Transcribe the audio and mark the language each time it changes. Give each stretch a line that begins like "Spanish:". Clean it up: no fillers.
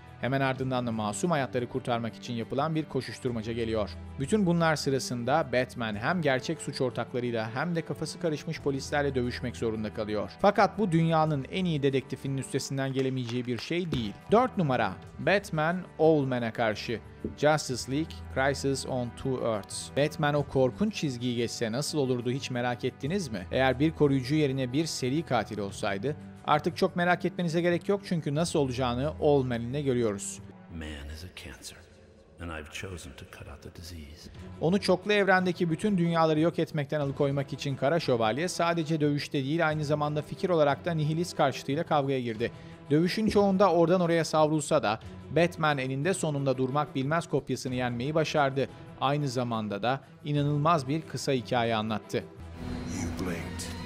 Turkish: Hemen ardından da masum hayatları kurtarmak için yapılan bir koşuşturmaca geliyor. Bütün bunlar sırasında Batman hem gerçek suç ortaklarıyla hem de kafası karışmış polislerle dövüşmek zorunda kalıyor. Fakat bu dünyanın en iyi dedektifinin üstesinden gelemeyeceği bir şey değil. 4 numara, Batman Owlman'a karşı.
English: Justice League, Crisis on Two Earths.
Turkish: Batman o korkunç çizgiyi geçse nasıl olurdu hiç merak ettiniz mi? Eğer bir koruyucu yerine bir seri katil olsaydı, artık çok merak etmenize gerek yok çünkü nasıl olacağını Owlman'ın da görüyoruz.
English: Man is a cancer and I've chosen to cut out the disease.
Turkish: Onu çoklu evrendeki bütün dünyaları yok etmekten alıkoymak için Kara Şövalye sadece dövüşte değil aynı zamanda fikir olarak da nihilist karşıtıyla kavgaya girdi. Dövüşün çoğunda oradan oraya savrulsa da Batman eninde sonunda durmak bilmez kopyasını yenmeyi başardı. Aynı zamanda da inanılmaz bir kısa hikaye anlattı.
English: You blinked.